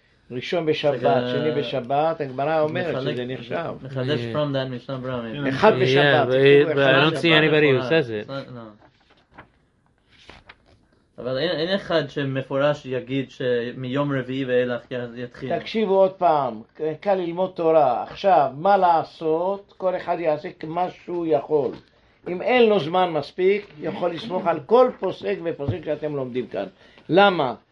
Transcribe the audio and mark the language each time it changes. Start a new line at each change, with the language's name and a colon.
Hebrew: ראשון בשבת, שני בשבת, הגמרא אומרת שזה נחשב.
English: מחדש from that Mishna Berura.
Hebrew: אחד בשבת.
English: But I don't see anybody who says it.
Hebrew: אבל אין אחד שמפורש יגיד שמיום רביעי ואילך יתחיל. תקשיבו עוד פעם, קל ללמוד תורה. עכשיו, מה לעשות? כל אחד יעשה כמה שהוא יכול. אם אין לו זמן מספיק, יכול לסמוך על כל פוסק ופוסק שאתם לומדים כאן. למה?